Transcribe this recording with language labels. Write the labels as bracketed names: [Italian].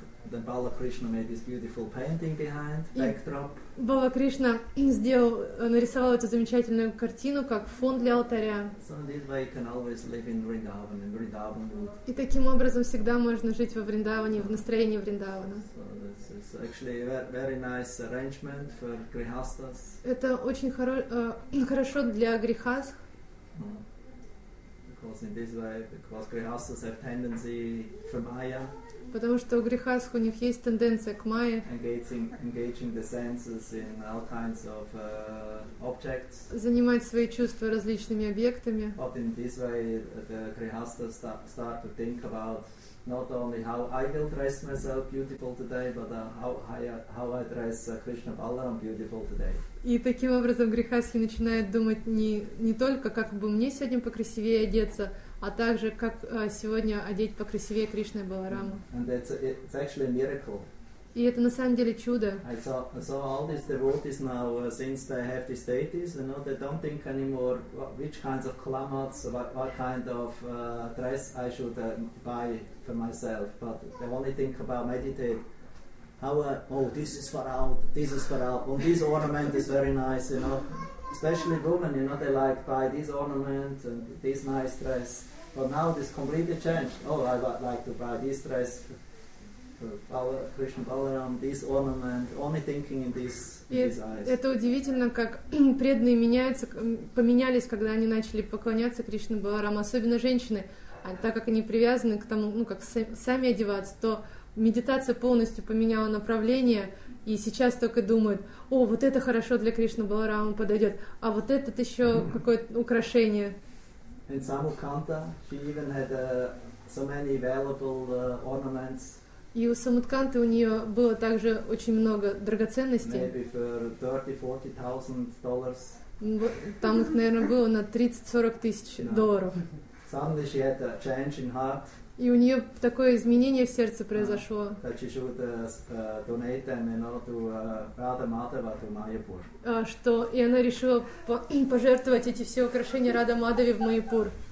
[English] Then Bala Krishna made this beautiful painting behind, backdrop. [Russian] Бала Кришна сделал, нарисовал эту замечательную картину как фон для алтаря. [English] So in this way you can always live in Vrindavan, in Vrindavan mood. [Russian] И таким образом всегда можно жить во Вриндаване, в настроении Вриндавана. [English] So this is actually a very nice arrangement for grihasthas. [Russian] Это очень хорошо для грихастх. [English] because in this way, because grihasthas have tendency for maya. [Russian] Потому что у грехастых у них есть тенденция к майе. [English] Engaging the senses in all kinds of objects. [Russian] Занимать свои чувства различными объектами. [English] But in this way, the grihasthas start to think about not only how I will dress myself beautiful today, but how I dress Krishna Balaram beautiful today. [Russian] И таким образом грехастхи начинают думать не только как бы мне сегодня покрасивее одеться, а также как сегодня одеть покрасивее Кришны Балараму. [English] And it's actually a miracle. [Russian] И это на самом деле чудо. [English] I saw all these devotees now since they have these deities, you know, they don't think anymore which kinds of klamats, what kind of dress I should buy for myself, but they only think about meditate. This is for out. This is for out. Well, this ornament is very nice, you know. Especially women, you know, they like buy this ornament and this nice dress. But now this completely changed. I would like to buy this dress for Krishna Balaram, this ornament. Only thinking in this. [Russian] Это удивительно, как преданные меняются, поменялись, когда они начали поклоняться Кришне Баларам, особенно женщины, так как они привязаны к тому, ну как сами одеваться, то медитация полностью поменяла направление, и сейчас только думают: о, вот это хорошо для Кришны Баларамы подойдет, а вот этот еще какое-то украшение. [English] In Samutkanta, she even had so many available ornaments. [Russian] И у Самутканты у нее было также очень много драгоценностей. [English] Maybe for $30,000-$40,000. [Russian] Там их, наверное, было на 30-40 тысяч долларов. [English] Suddenly she had a change in heart. [Russian] И у нее такое изменение в сердце произошло. Что? И она решила пожертвовать эти все украшения Радха Мадхаве в Майяпур.